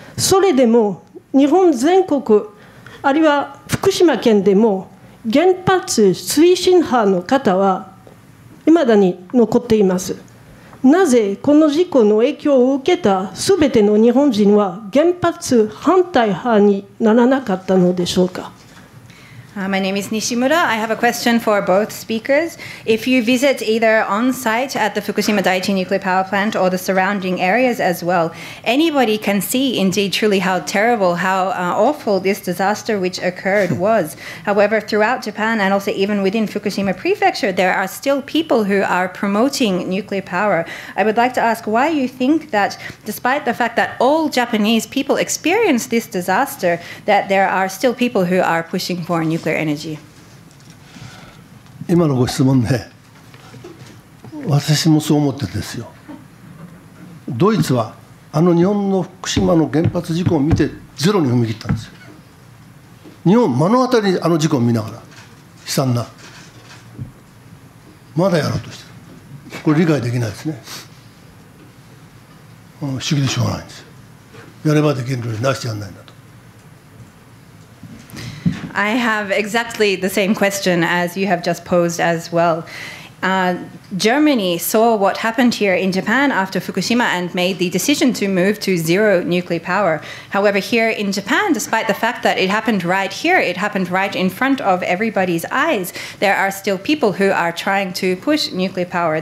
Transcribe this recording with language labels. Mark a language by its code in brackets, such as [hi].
[ja] それでも日本全国、あるいは福島県でも原発推進派の方は未だに残っています。なぜこの事故の影響を受けた全ての日本人は原発反対派にならなかったのでしょうか。 [en] My name is Nishimura. I have a question for both speakers. If you visit either on site at the Fukushima Daiichi nuclear power plant or the surrounding areas as well, anybody can see indeed truly how terrible, how awful this disaster which occurred was. However, throughout Japan and also even within Fukushima Prefecture, there are still people who are promoting nuclear power. I would like to ask why you think that despite the fact that all Japanese people experienced this disaster, that there are still people who are pushing for nuclear power. [ja] 今のご質問ね、私もそう思ってですよ。ドイツは日本の福島の原発事故を見てゼロに踏み切ったんですよ。日本目の当たりに事故を見ながら、悲惨な、まだやろうとしてる。これ理解できないですね。主義でしょうがないんですよ。やればできるのになしてやらないんだ。 [en] I have exactly the same question as you have just posed as well. Germany saw what happened here in Japan after Fukushima and made the decision to move to zero nuclear power. However, here in Japan, despite the fact that it happened right here, it happened right in front of everybody's eyes, there are still people who are trying to push nuclear power.